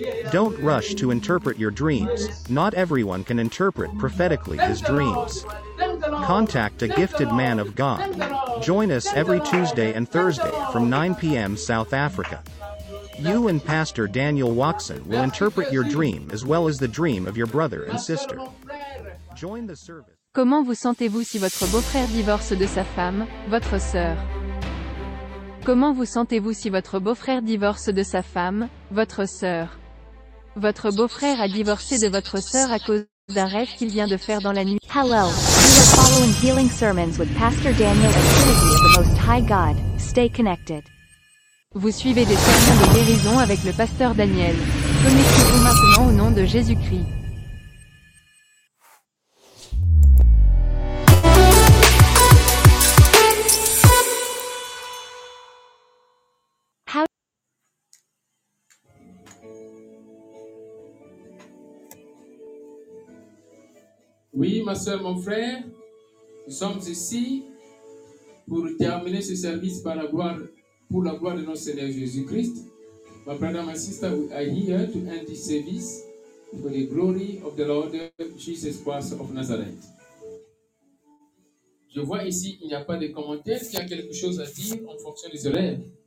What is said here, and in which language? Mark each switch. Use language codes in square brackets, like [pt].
[en] Don't rush to interpret your dreams. Not everyone can interpret prophetically his dreams. Contact a gifted man of God. Join us every Tuesday and Thursday from 9 p.m. South Africa. You and Pastor Daniel Watson will interpret your dream as well as the dream of your brother and sister. Join the service. [fr] Comment vous sentez-vous si votre beau-frère divorce de sa femme, votre sœur? Comment vous sentez-vous si votre beau-frère divorce de sa femme, votre sœur? Votre beau-frère a divorcé de votre sœur à cause d'un rêve qu'il vient de faire dans la nuit. [en] Hello, you are following healing sermons with Pastor Daniel of Trinity of the Most High God. Stay connected. [fr] Vous suivez des sermons de guérison avec le pasteur Daniel. Connectez-vous maintenant au nom de Jésus-Christ. Oui, ma soeur, mon frère, nous sommes ici pour terminer ce service par la gloire, pour la gloire de notre Seigneur Jésus-Christ. [en] My brother, my sister, we are here to end this service for the glory of the Lord Jesus Christ of Nazareth. [fr] Je vois ici, il n'y a pas de commentaires. Est-ce qu'il y a quelque chose à dire en fonction des horaires?